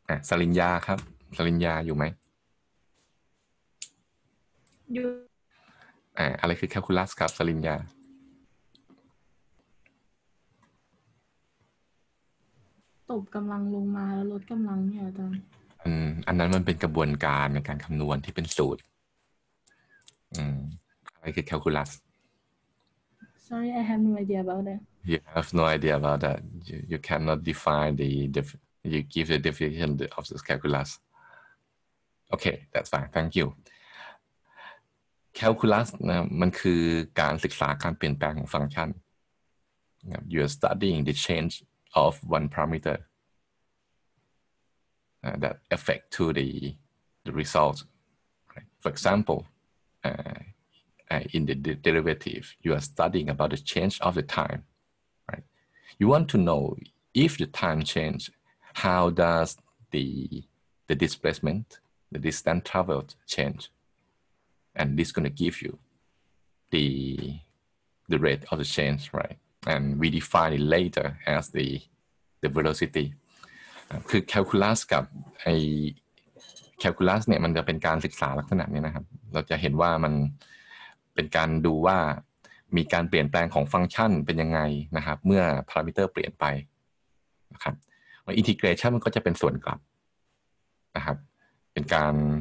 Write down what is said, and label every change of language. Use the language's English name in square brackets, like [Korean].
[Thai] สริญญาครับสริญญาอยู่ไหมอะไรคือแคลคูลัสครับสริญญา ตบกำลังลงมาแล้วลดกำลังเนี่ยจัง อันนั้นมันเป็นกระบวนการในการคำนวณที่เป็นสูตรอะไรคือแคลคูลัส [English] Sorry I have no idea about that You have no idea about that you cannot define the you give the definition of this calculus Okay that's fine thank youCalculus [Thai] นะมันคือการศึกษาการเปลี่ยนแปลงของฟังก์ชันนะ [English] You're studying the change of one parameter that affect to the result right? For example in the derivative you are studying about the change of the time right You want to know if the time change how does the displacement the distance traveled changeAnd this is going to give you the rate of the change, right? And we define it later as the velocity. [Thai] คือ calculus กับไอ้ calculus เนี่ยมันจะเป็นการศึกษาลักษณะนี้นะครับเราจะเห็นว่ามันเป็นการดูว่ามีการเปลี่ยนแปลงของฟังก์ชันเป็นยังไงนะครับเมื่อพารามิเตอร์เปลี่ยนไปนะครับแล้ว integration มันก็จะเป็นส่วนกลับนะครับเป็นการ